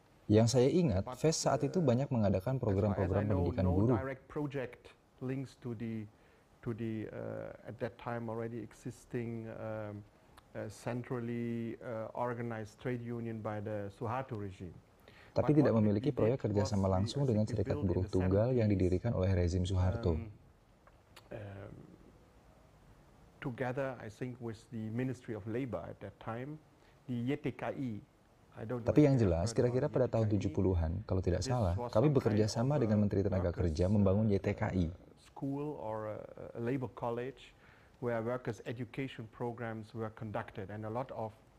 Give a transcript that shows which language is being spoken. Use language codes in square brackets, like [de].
[id] Yang saya ingat, FES saat itu banyak mengadakan program-program pendidikan buruh. [en] Links to the at that time already existing centrally organized trade union by the Suharto regime. [id] Tapi tidak memiliki proyek kerjasama langsung dengan serikat buruh tunggal yang didirikan oleh rezim Suharto. [en] Together, I think with the Ministry of Labor at that time, the YTKI. [id] Tapi yang jelas, kira-kira pada tahun 70-an, kalau tidak salah, kami bekerja sama dengan Menteri Tenaga Kerja membangun YTKI. [en] School or a labor college where workers education programs were conducted, and a lot of